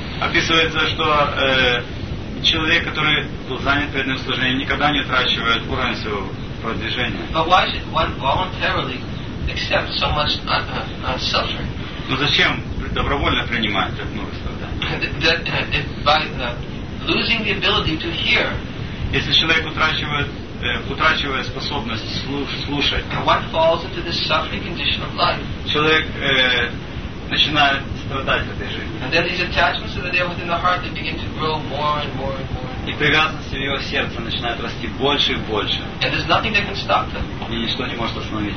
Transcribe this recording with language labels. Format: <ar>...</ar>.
<ru>Описывается, что человек, который был занят преданным служением, никогда не утрачивает уровень своего продвижения.</ru> <en>But why should one voluntarily accept so much suffering?</en> <ru>Но зачем добровольно принимать так много страданий?</ru> <en>Losing the ability to hear.</en> <ru>Если человек утрачивает способность слушать.</ru> <en>One falls into the suffering condition of life.</en> <ru>Человек начинает страдать в этой жизни.</ru> <en>And then these attachments are there within the heart that begin to grow more and more and more.</en> <ru>И привязанности в его сердце начинают расти больше и больше.</ru> <en>And there's nothing that can stop them.</en> <ru>И ничто не может остановить.</ru>